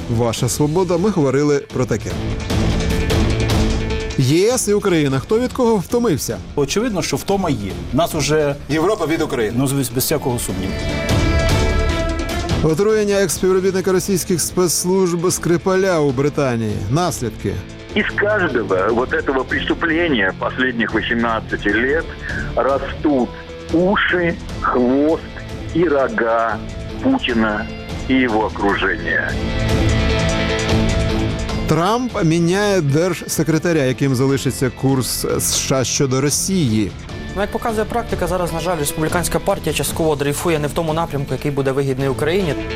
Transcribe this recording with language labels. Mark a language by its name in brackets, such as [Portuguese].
[Ukrainian] Ваша свобода» ми говорили про таке. ЄС і Україна. Хто від кого втомився? Очевидно, що втома є. Нас уже... Європа від України. Ну, без всякого сумніву. Отруєння експівробітника російських спецслужб Скрипаля у Британії. Наслідки. [Russian] Из каждого вот этого преступления последних 18 лет растут уши, хвост и рога Путина и его окружения. Трамп меняет держсекретаря, [Ukrainian] яким залишиться курс США щодо Росії. Як показує практика, зараз, на жаль, республіканська партія частково дрейфує не в тому напрямку, який буде вигідний Україні.